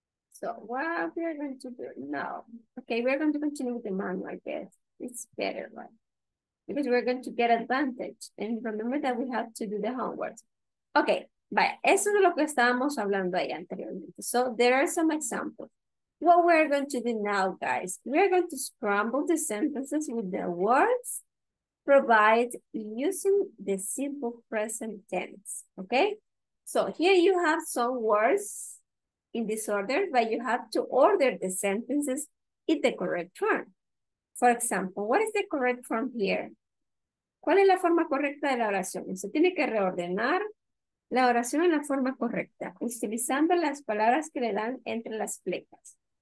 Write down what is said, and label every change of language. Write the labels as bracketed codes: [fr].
[en] So what we are going to do now? Okay, we're going to continue with the manual, I guess. It's better, right? Because we're going to get advantage. And remember that we have to do the homework. Okay, vaya. [es] Eso es lo que estábamos hablando ahí anteriormente. [en] So there are some examples. What we're going to do now, guys, we're going to scramble the sentences with the words provided using the simple present tense, okay? So here you have some words in this order, but you have to order the sentences in the correct form. For example, what is the correct form here? [es] ¿Cuál es la forma correcta de la oración? Se tiene que reordenar la oración en la forma correcta, utilizando las palabras que le dan entre las flechas.